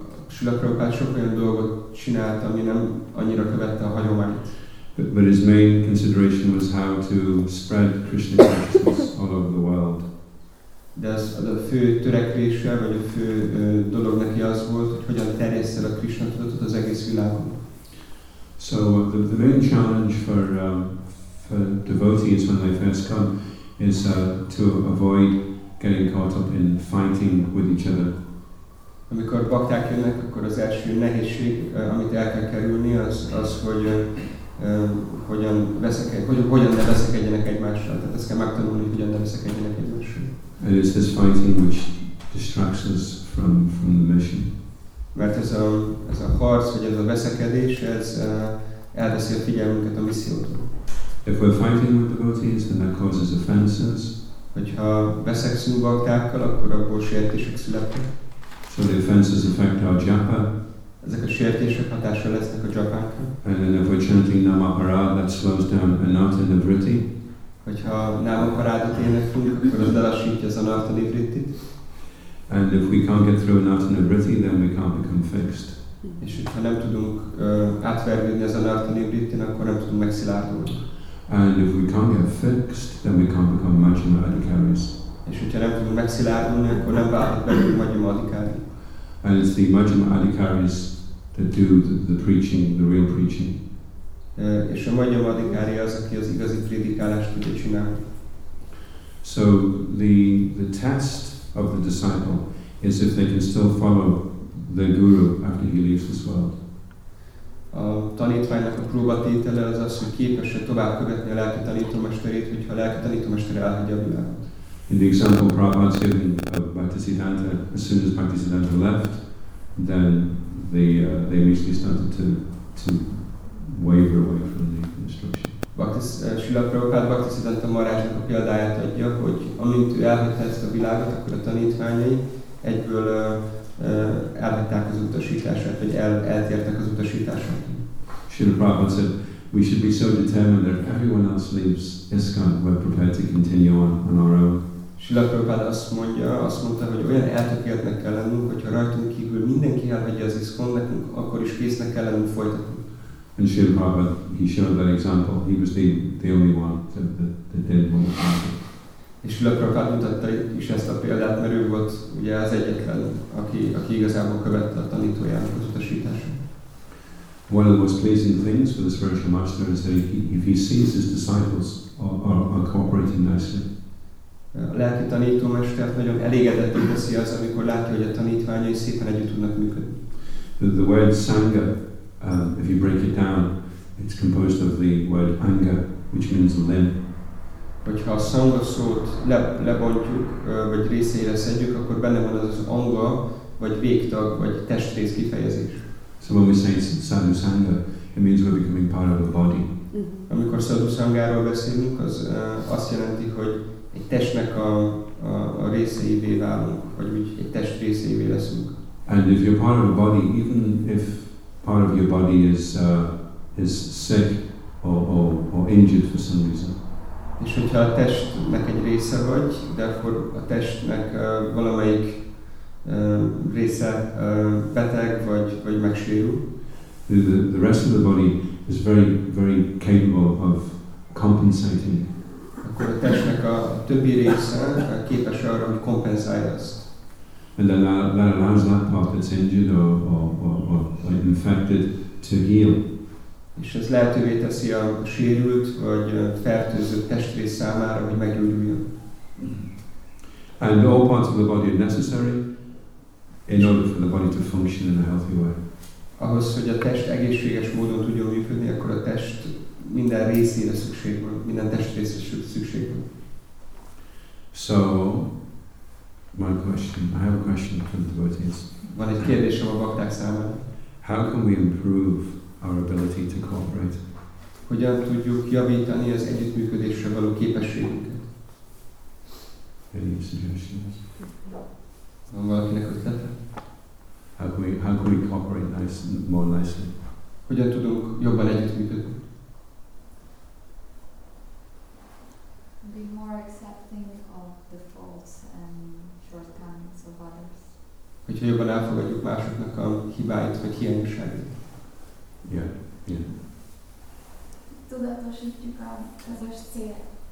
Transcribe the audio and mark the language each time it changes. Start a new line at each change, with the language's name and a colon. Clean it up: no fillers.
Hungarian: Srila Prabhupada sok olyan dolgot csinált, ami nem annyira követte a hagyományt.
English: But his main consideration was how to spread Krishna consciousness all over the world.
Hungarian: De az a fő törekvése, vagy a fő dolog neki az volt, hogy hogyan terjessz el a Krishna tudatot az egész világon.
English: So the main challenge for devotees when they first come is to avoid getting caught up in fighting with each other.
Hungarian: Amikor bakták jönnek, akkor az első nehézség, amit el kell kerülni, az hogy hogyan ne veszekedjenek egymással. Tehát ezt kell megtanulni, hogyan ne veszekedjenek egymással.
English: And it's this fighting which distracts us from the mission.
Hungarian: Mert ez a harc, vagy ez a veszekedés, ez elveszi a figyelmünket a missziótól.
English: If we're fighting with devotees, then that causes offenses.
Hungarian: Hogyha veszekszünk baktákkal, akkor abból sértések születnek.
English: So the offenses affect our japa.
Hungarian: Ezek a sértések hatásra lesznek a japánkra.
English: And then if we're chanting Namapara, that slows down anatta nivritti.
Hungarian: Hogyha Namaparádot énekünk, akkor az lelassítja az anatta nivrittit.
English: And if we can't get through anatta nivritti, then we can't become fixed.
Hungarian: És hogyha nem tudunk átvergődni az anatta nivrittin, akkor nem tudunk megszilárdulni.
English: And if we can't get fixed, then we can't become Majjhima Adhikaris.
Hungarian: És hogyha nem tudunk megszilárdulni, akkor nem válhat belőle Majjhima Adhikari.
English: And it's the Majjhima Adhikaris that do the preaching, the real preaching.
Hungarian: És a Majjhima Adhikari az, aki az igazi prédikálást tudja csinálni.
English: So the test of the disciple is if they can still follow the guru after he leaves this world.
Hungarian: A tanítványnak a próbatétele az, hogy képes-e tovább követni a lelki tanítómesterét, hogyha a lelki tanítómester elhagyja a világot.
English: In the example Prabhupada's given of Bhaktisiddhanta, as soon as Bhaktisiddhanta left, then they immediately started to waver away from the instruction.
Hungarian: Srila Prabhupada Bhaktisiddhanta Maharajnak a példáját adja, hogy amint ő elhagyta ezt a világot, akkor a tanítványai egyből elhagyták az utasítását, vagy eltértek az utasításon.
English: Srila Prabhupada said, we should be so determined that if everyone else leaves ISKCON, we're prepared to continue on our own.
Hungarian: Srila Prabhupada azt mondta, hogy olyan eltökéltnek kell lennünk, hogyha rajtunk kívül mindenki elhagyja az ISKCON, nekünk akkor is késznek kell lennünk folytatni.
English: And Srila Prabhupada, he showed that example. He was the only one that didn't want to happen.
Hungarian: És Srila Prabhupada mutatta is ezt a példát, mert ő volt ugye az egyetlen, aki igazából követte a tanítójának az utasítását.
English: One of the most pleasing things for the spiritual master is that if he sees his disciples are cooperating nicely.
Hungarian: A lelki tanítómestert nagyon elégedetté teszi az, amikor látja, hogy a tanítványai szépen együtt tudnak működni.
English: The word sangha, if you break it down, it's composed of the word anga, which means limb.
Hungarian: Hogyha a sangha szót lebontjuk, vagy részére szedjük, akkor benne van az anga, vagy végtag, vagy testrész kifejezés.
English: So when we say sadhu sangha, it means we're becoming part of the body.
Hungarian: Amikor sadhu sangharól beszélünk, az azt jelenti, hogy egy testnek a részeivé válunk, vagy úgy egy test részeivé leszünk.
English: And if you're part of a body, even if part of your body is sick or injured for some reason.
Hungarian: És hogyha a testnek egy része vagy, de akkor a testnek valamelyik része beteg vagy megsérül.
English: The rest of the body is very very capable of compensating.
Hungarian: Akkor a testnek a többi része képes arra, hogy kompenzálja ezt.
English: And then that allows that part that's injured or infected to heal.
Hungarian: És ez lehetővé teszi a sérült vagy fertőzött testrész számára, hogy meggyógyuljon.
English: And all parts of the body are necessary in order for the body to function in a healthy way.
Hungarian: Ahhoz, hogy a test egészséges módon tudjon működni, akkor a test minden részére szükség van, minden testrészre szükség van.
English: So, my question, I have a question from the devotees.
Hungarian: Van egy kérdésem a bakták számára.
English: How can we improve our ability to cooperate?
Hungarian: Hogyan tudjuk javítani az együttműködésre való képességünket?
English: Any suggestions?
Hungarian: Van valakinek ötlete?
English: How can we cooperate more nicely?
Hungarian: Hogyan tudunk jobban együttműködni?
English: Be more accepting of the faults and shortcomings of others.
Hungarian: Hogyha jobban elfogadjuk másoknak a hibáit vagy hiányosságait.
English: Yeah, yeah.
Hungarian: Tudatosítjuk a közös cél.